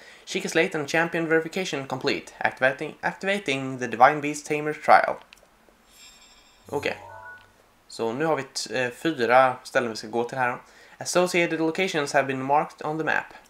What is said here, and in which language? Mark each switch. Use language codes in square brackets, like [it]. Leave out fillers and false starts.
[en] Kikarslate and champion verification complete. Activating the Divine Beast Tamer trial. [sv] Okej. Så nu har vi fyra ställen vi ska gå till här. [en] Associated locations have been marked on the map.